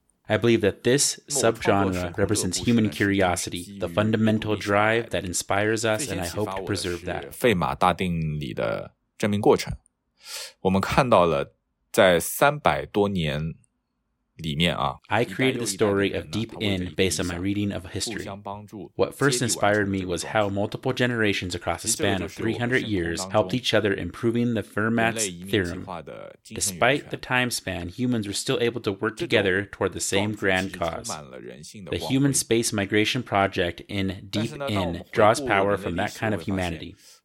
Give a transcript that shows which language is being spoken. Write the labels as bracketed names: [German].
[English] I believe that this subgenre represents human curiosity, the fundamental drive that inspires us, and I hope to preserve that. [Chinese] 费马大定理的证明过程。我们看到了在300多年里面啊, [English] I created the story of Deep In based on my reading of history. What first inspired me was how multiple generations across a span of 300 years helped each other in proving the Fermat's theorem. Despite the time span, humans were still able to work together toward the same grand cause. The human space migration project in Deep In draws power from that kind of humanity.